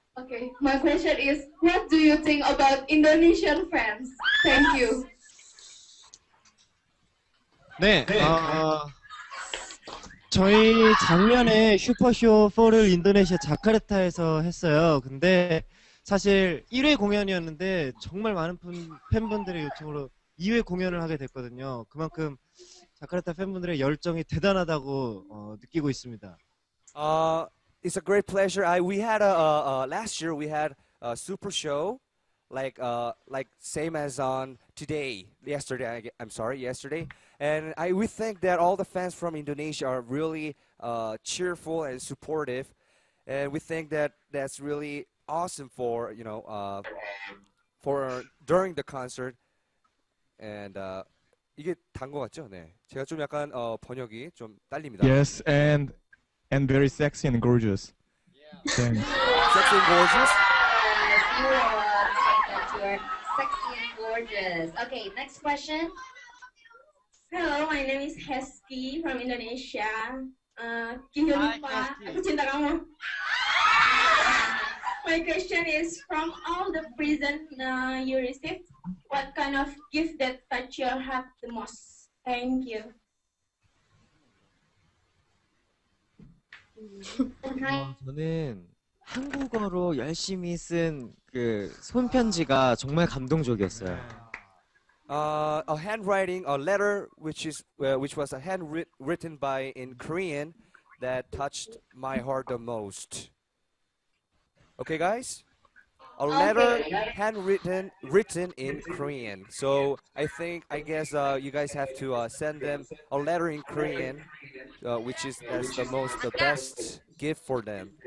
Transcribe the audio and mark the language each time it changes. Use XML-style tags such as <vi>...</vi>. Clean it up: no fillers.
<en>Okay, my question is, what do you think about Indonesian fans? Thank you.</en> <ko>네, 저희 작년에 슈퍼쇼4를 인도네시아 자카르타에서 했어요. 근데 사실 1회 공연이었는데 정말 많은 팬분들의 요청으로 2회 공연을 하게 됐거든요. 그만큼 자카르타 팬분들의 열정이 대단하다고 느끼고 있습니다.</ko> <en>It's a great pleasure. We had last year we had a super show like same as on today. Yesterday. And we think that all the fans from Indonesia are really cheerful and supportive, and we think that that's really awesome for you know for during the concert.</en> <ko>And 이게 단 거 같죠? 네, 제가 좀 약간 번역이 좀 딸립니다.</ko> <en>Yes, and very sexy and gorgeous. Yeah. Sexy and gorgeous. Yes, you are. Sexy and gorgeous. Okay, next question. Hello, my name is Hesky from Indonesia.</en> <id>Kihyun Pa, aku cinta kamu.</id> <en>My question is, from all the presents you received, what kind of gift that touch your heart the most? Thank you. Hi.</en> <ko>저는 한국어로 열심히 쓴 그 손편지가 정말 감동적이었어요.</ko> <en>A handwriting, a letter which was a hand written by in Korean that touched my heart the most. Okay, guys? A letter handwritten in Korean. So I guess you guys have to send them a letter in Korean which is as the most, the best gift for them.</en>